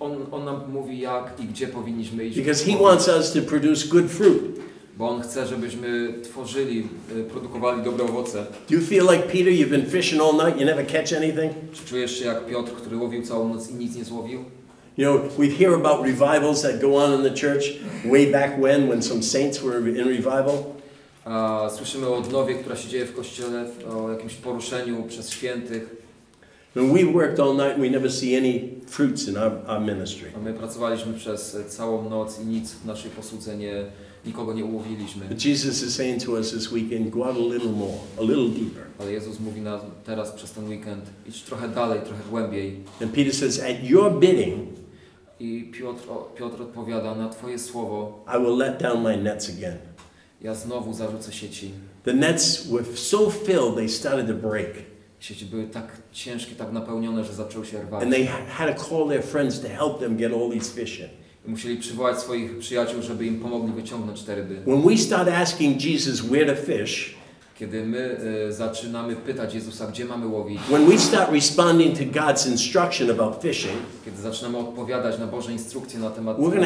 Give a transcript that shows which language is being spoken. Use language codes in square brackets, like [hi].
[pl] On nam mówi, jak i gdzie powinniśmy iść. [en] Because he wants us to produce good fruit. [pl] Bo on chce, żebyśmy tworzyli, produkowali dobre owoce. [en] Do you feel like Peter, you've been fishing all night, you never catch anything? [pl] Czy czujesz się jak Piotr, który łowił całą noc i nic nie złowił? [en] You know, we hear about revivals that go on in the church way back when some saints were in revival. [pl] Słyszymy o odnowie, która się dzieje w kościele, o jakimś poruszeniu przez świętych. [en] And we worked all night and we never see any fruits in our ministry. [pl] A my pracowaliśmy przez całą noc i nic w naszej posłudze nikogo nie ułowiliśmy. [en] But Jesus is saying to us this weekend, go out a little more, a little deeper. [pl] Ale Jezus mówi nam teraz przez ten weekend, idź trochę dalej, trochę głębiej. [en] And Peter says, at your bidding, [pl] i Piotr odpowiada, na twoje słowo, [en] I will let down my nets again. [pl] Ja znowu zarzucę sieci. [en] The nets were so filled, they started to break. [pl] Sieci były tak ciężkie, tak napełnione, że zaczęły się rwać. [en] And they had to call their friends to help them get all these fish in. [pl] Musieli przywołać swoich przyjaciół, żeby im pomogli wyciągnąć te ryby. [en] When we start asking Jesus where to fish, [pl] kiedy my zaczynamy pytać Jezusa, gdzie mamy łowić, [en] when we start responding to God's instruction about fishing, [pl] kiedy zaczynamy odpowiadać na Boże instrukcje na temat